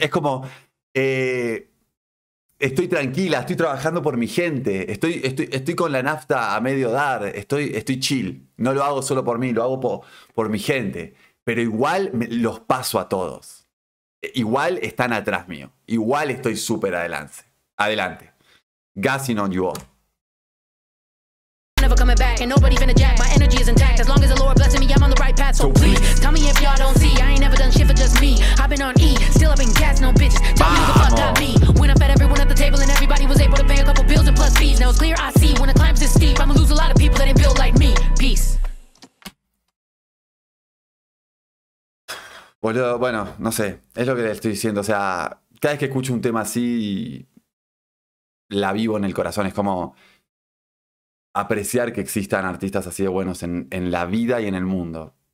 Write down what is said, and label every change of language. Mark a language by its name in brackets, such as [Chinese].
[Spanish] Es como, estoy tranquila, estoy trabajando por mi gente, estoy con la nafta a medio dar, estoy chill. No lo hago solo por mí, lo hago por mi gente. Pero igual los paso a todos. Igual están atrás mío. Igual estoy súper adelante. [English] Adelante. Gassing on you all. And nobody finna jack, my energy is intact. As long as the Lord blessing me, I'm on the right path. So please, tell me if y'all don't see, I ain't never done shit for just me. I've been on E, still up in gas, no bitches. Tell me who the fuck got me. When I fed everyone at the table and everybody was able to pay a couple bills and plus fees. Now it's clear I see, when the climb's this steep, I'ma lose a lot of people that ain't built like me. Peace. [Spanish] Boludo, bueno, no sé, es lo que le estoy diciendo. O sea, cada vez que escucho un tema así, la vivo en el corazón. Es como apreciar que existan artistas así de buenos en la vida y en el mundo.